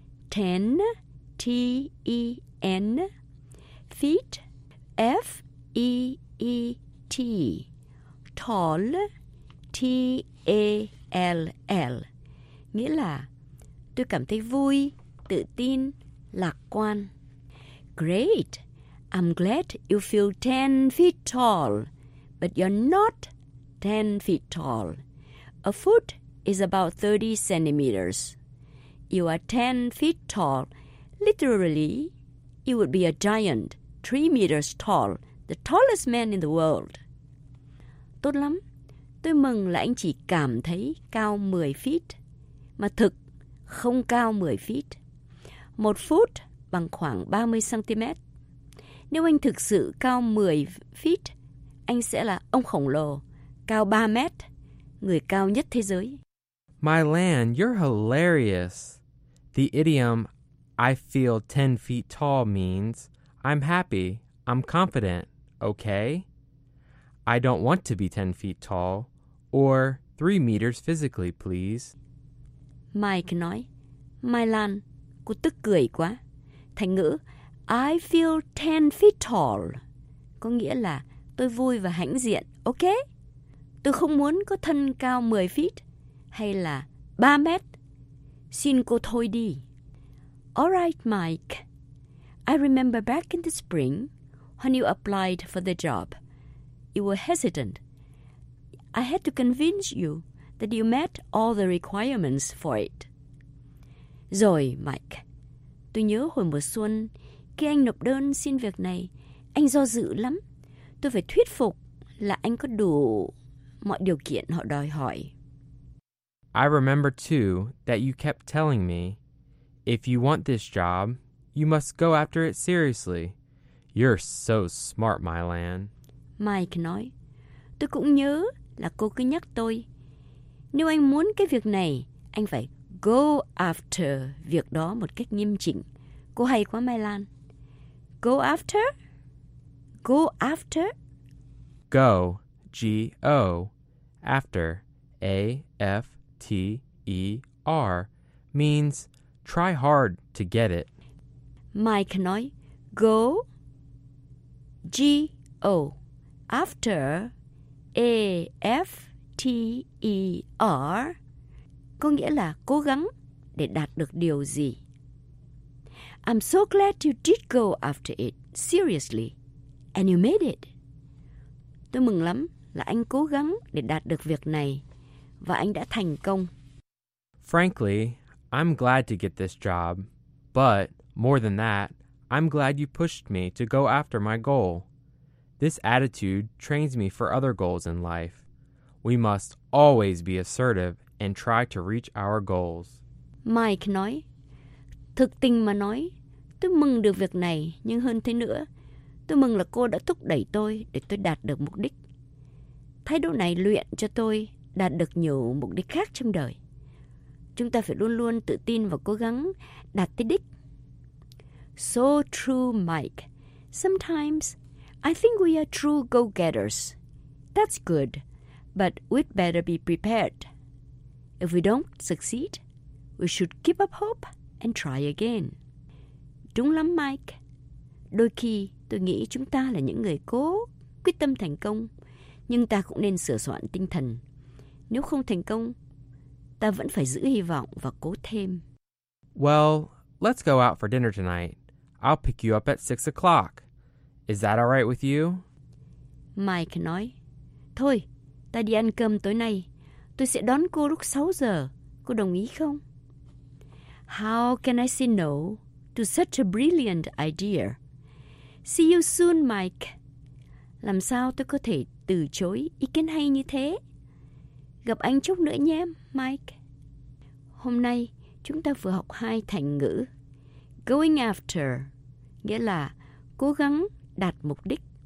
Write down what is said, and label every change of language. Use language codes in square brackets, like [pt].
[en] 10, T-E-N. Feet, F-E-E-T. Tall, T-A-L-L. [vi] Nghĩa là, tôi cảm thấy vui, tự tin, lạc quan. [en] Great. I'm glad you feel 10 feet tall, but you're not 10 feet tall. A foot is about 30 centimeters. You are 10 feet tall. Literally, you would be a giant, 3 meters tall, the tallest man in the world. [vi] Tốt lắm. Tôi mừng là anh chỉ cảm thấy cao 10 feet, mà thực không cao 10 feet. Một foot bằng khoảng 30 centimeters. Nếu anh thực sự cao 10 feet, anh sẽ là ông khổng lồ, cao 3 mét, người cao nhất thế giới. [en] Mylan, you're hilarious. The idiom, I feel 10 feet tall means, I'm happy, I'm confident, okay? I don't want to be 10 feet tall, or 3 meters physically, please. [vi] Mike nói, Mylan, cô tức cười quá. Thành ngữ, [en] I feel 10 feet tall. [vi] Có nghĩa là tôi vui và hãnh diện, ok? Tôi không muốn có thân cao 10 feet hay là 3 mét. Xin cô thôi đi. [en] All right, [vi] Mike. [en] I remember back in the spring when you applied for the job. You were hesitant. I had to convince you that you met all the requirements for it. [vi] Rồi, Mike. Tôi nhớ hồi mùa xuân, khi anh nộp đơn xin việc này, anh do dự lắm. Tôi phải thuyết phục là anh có đủ mọi điều kiện họ đòi hỏi. [en] I remember too that you kept telling me, if you want this job, you must go after it seriously. You're so smart, Mylan. [vi] Mike nói, tôi cũng nhớ là cô cứ nhắc tôi, nếu anh muốn cái việc này, anh phải go after việc đó một cách nghiêm chỉnh. Cô hay quá, [en] Mylan. Go after? Go after? Go, G-O, after, A-F-T-E-R, means try hard to get it. [vi] Mike nói, go, G-O, after, A-F-T-E-R, có nghĩa là cố gắng để đạt được điều gì. [en] I'm so glad you did go after it, seriously, and you made it. [vi] Tôi mừng lắm là anh cố gắng để đạt được việc này, và anh đã thành công. [en] Frankly, I'm glad to get this job, but more than that, I'm glad you pushed me to go after my goal. This attitude trains me for other goals in life. We must always be assertive and try to reach our goals. [vi] Mike nói, thực tình mà nói, tôi mừng được việc này, nhưng hơn thế nữa, tôi mừng là cô đã thúc đẩy tôi để tôi đạt được mục đích. Thái độ này luyện cho tôi đạt được nhiều mục đích khác trong đời. Chúng ta phải luôn luôn tự tin và cố gắng đạt tới đích. [en] So true, Mike. Sometimes, I think we are true go-getters. That's good, but we'd better be prepared. If we don't succeed, we should keep up hope and try again. [vi] trúng lắm Mike. Đôi khi tôi nghĩ chúng ta là những người cố quyết tâm thành công, nhưng ta cũng nên sửa soạn tinh thần. Nếu không thành công, ta vẫn phải giữ hy vọng và cố thêm. [en] Well, let's go out for dinner tonight. I'll pick you up at 6 o'clock. Is that all right with you? [vi] Mike nói, thôi, ta đi ăn cơm tối nay. Tôi sẽ đón cô lúc 6 giờ. Cô đồng ý không? [en] How can I say no to such a brilliant idea? See you soon, Mike. [vi] Làm sao tôi có thể từ chối ý kiến hay như thế? Gặp anh chút nữa nhé, Mike. Hôm nay, chúng ta vừa học hai thành ngữ. Going after, nghĩa là cố gắng đạt mục đích.